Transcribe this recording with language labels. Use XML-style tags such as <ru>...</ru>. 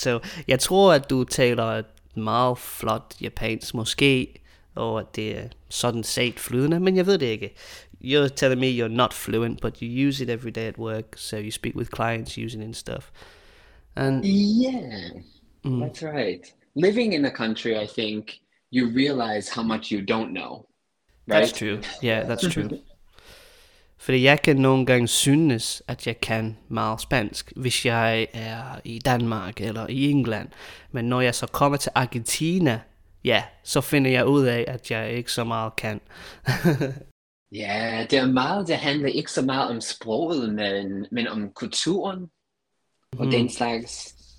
<da>So, jeg tror, at du taler meget flot japansk, måske, og at det er sådan set flydende, men jeg ved det ikke.</da> <en>You're telling me you're not fluent, but you use it every day at work, so you speak with clients using it and stuff. And That's right. Living in a country, I think, you realize how much you don't know, right? That's true. Yeah, that's true.</en> <da>Fordi jeg kan nogle gange synes, at jeg kan meget spansk, hvis jeg er i Danmark eller i England. Men når jeg så kommer til Argentina, ja, så finder jeg ud af, at jeg ikke så meget kan. Ja, det er meget, det handler ikke så meget om sproget, men om kulturen og den slags.</da>